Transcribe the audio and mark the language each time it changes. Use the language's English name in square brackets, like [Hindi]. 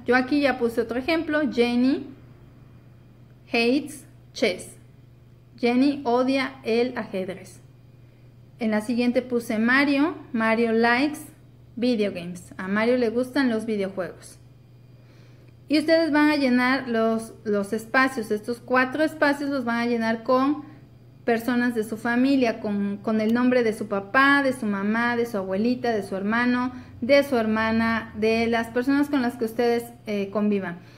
[Spanish] Yo aquí ya puse otro ejemplo. [English] Jenny hates chess. [Spanish] Jenny odia el ajedrez. En la siguiente puse Mario. [English] Mario likes video games. [Spanish] A Mario le gustan los videojuegos. Y ustedes van a llenar los espacios. Estos cuatro espacios los van a llenar con personas de su familia, con el nombre de su papá, de su mamá, de su abuelita, de su hermano, de su hermana, de las personas con las que ustedes convivan.